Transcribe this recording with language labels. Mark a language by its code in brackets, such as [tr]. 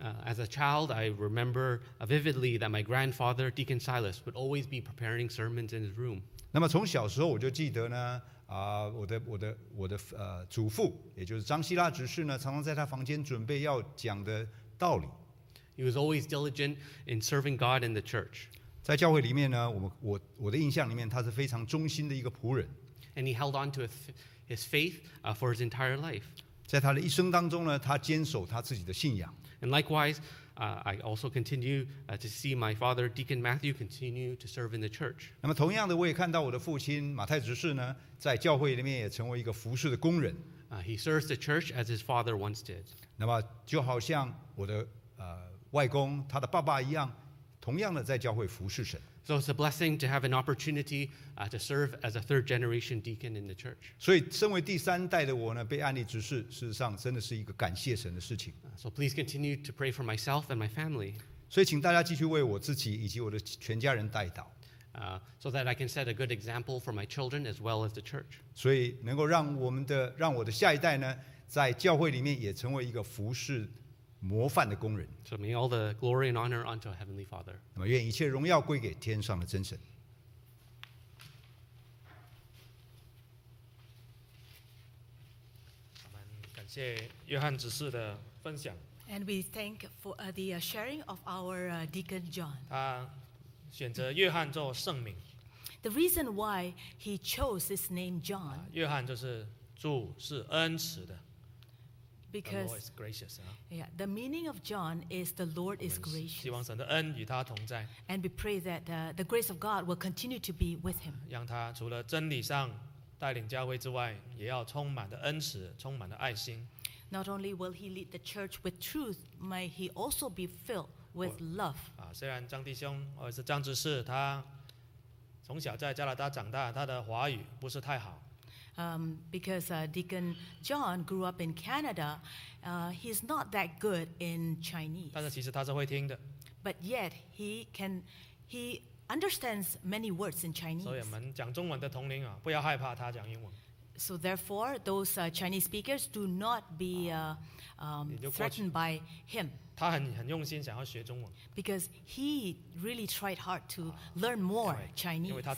[en] As a child, I remember vividly that my grandfather, Deacon Silas, would always be preparing sermons in his room. [zh] 那么从小时候我就记得呢，我的祖父，也就是张希拉执事呢，常常在他房间准备要讲的道理。 [en] He was always diligent in serving God and the church. [zh] 在教会里面呢，我的印象里面，他是非常忠心的一个仆人。 [en] And he held on to his faith for his entire life. [zh] 在他的一生当中呢，他坚守他自己的信仰。 [en] And likewise, I also continue to see my father, Deacon Matthew, continue to serve in the church. [zh] 那么同样的，我也看到我的父亲马太执事呢，在教会里面也成为一个服事的工人。 [en] He serves the church as his father once did. [zh] 那么就好像我的外公他的爸爸一样。同样的，在教会服侍神。 [en] So it's a blessing to have an opportunity to serve as a third generation deacon in the church. [zh] 所以，身为第三代的我呢，被按立执事，事实上真的是一个感谢神的事情。 [en] So please continue to pray for myself and my family. [zh] 所以，请大家继续为我自己以及我的全家人代祷。 [en] So that I can set a good example for my children as well as the church. [zh] 所以，能够让我的下一代呢，在教会里面也成为一个服侍。模范的工人。 [en] So may all the glory and honor unto our Heavenly Father. [zh] 那么愿一切荣耀归给天上的真神。我们感谢约翰执事的分享。 [en] And we thank for the sharing of our Deacon John. [zh] 他选择约翰做圣名。 [en] The reason why he chose his name John. [zh] 约翰就是主是恩慈的。 [en] Because the Lord is gracious. Yeah, the meaning of John is the Lord is gracious. [zh] 希望神的恩与他同在。 [en] And we pray that the grace of God will continue to be with him. [zh] 让他除了真理上带领教会之外，也要充满的恩慈，充满的爱心。 [en] Not only will he lead the church with truth, may he also be filled with love. [zh] 虽然张弟兄或者是张执事，他从小在加拿大长大，他的华语不是太好。 [en] Because Deacon John grew up in Canada, he's not that good in Chinese. [zh] 但是其实他是会听的。 [en] But yet he understands many words in Chinese. [zh] 所以我们讲中文的同龄啊，不要害怕他讲英文。 [en] So therefore, those Chinese speakers do not be threatened by him. [zh] 他很用心想要学中文。 [en] Because he really tried hard to learn more Chinese.